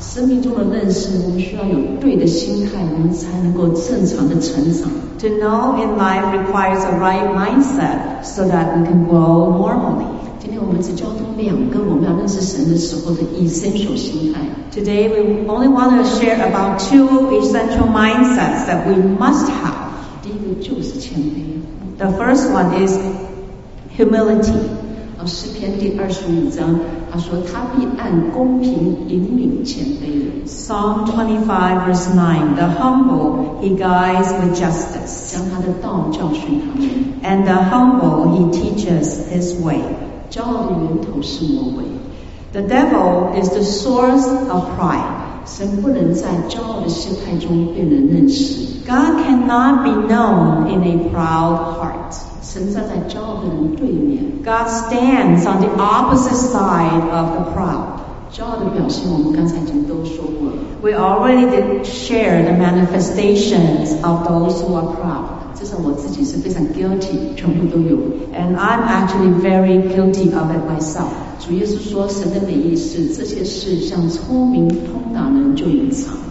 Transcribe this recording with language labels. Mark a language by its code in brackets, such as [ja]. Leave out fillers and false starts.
[zh] 生命中的认识，我们需要有对的心态，我们才能够正常的成长。 [en] To know in life requires a right mindset so that we can grow normally. [zh] 今天我们只交通两个我们要认识神的时候的 essential 心态。 [en] Today, we only want to share about two essential mindsets that we must have. [zh] 第一个就是谦卑。 [en] The first one is humility. [zh] 后诗篇第二十五章，他说他必按公平引领谦卑人。 [en] Psalm 25 verse 9, the humble he guides with justice. [zh] 将他的道教训他们。 [en] And the humble he teaches his way. [zh] 骄傲的源头是魔鬼。 [en] The devil is the source of pride. [zh] 神不能在骄傲的心态中被人认识。 [en] God cannot be known in a proud heart. [zh] 神站在骄傲的人对面。 [en] God stands on the opposite side of the proud. [zh] 骄傲的表现我们刚才已经都说过了。 [en] We already did share the manifestations of those who are proud. [zh] 至少我自己是非常 guilty, 全部都有。 [en] And I'm actually very guilty of it myself. [zh] 主耶稣说神的美意是这些事向聪明通达人就隐藏。